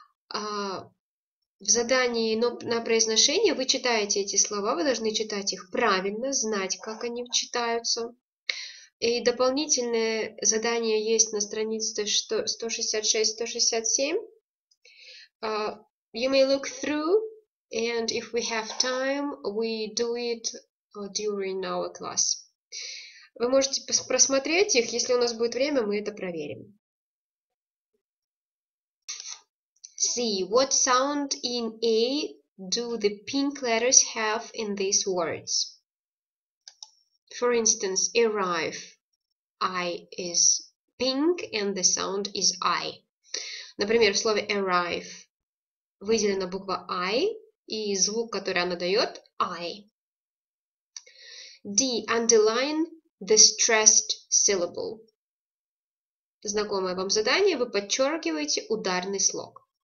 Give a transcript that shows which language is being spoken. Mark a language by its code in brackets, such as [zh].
[ru] В задании на произношение вы читаете эти слова, вы должны читать их правильно, знать, как они читаются. И дополнительное задание есть на странице 166-167. [en] You may look through, and if we have time, we do it during our class. [ru] Вы можете просмотреть их, если у нас будет время, мы это проверим. [en] C. What sound in A do the pink letters have in these words? For instance, arrive. I is pink and the sound is I. [ru] Например, в слове arrive выделена буква I и звук, который она дает, I. [en] D. Underline the stressed syllable. [ru] Знакомое вам задание, вы подчеркиваете ударный слог.